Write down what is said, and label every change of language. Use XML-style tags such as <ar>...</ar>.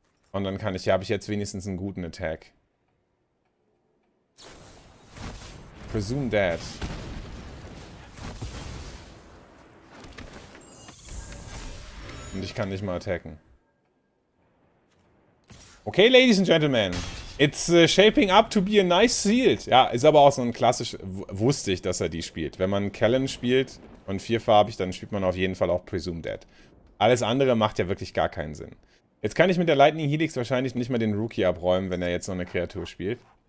<de>Und dann kann ich, ja, habe ich jetzt wenigstens einen guten Attack.</de> <en>Presume Dead.</en> <de>Und ich kann nicht mal attacken.</de> <en>Okay, Ladies and Gentlemen. It's shaping up to be a nice sealed.</en> <de>Ja, ist aber auch so ein klassisch. Wusste ich, dass er die spielt. Wenn man Kellen spielt und vierfarbig, dann spielt man auf jeden Fall auch Presume Dead. Alles andere macht ja wirklich gar keinen Sinn. Jetzt kann ich mit der Lightning Helix wahrscheinlich nicht mal den Rookie abräumen, wenn er jetzt noch eine Kreatur spielt.</de>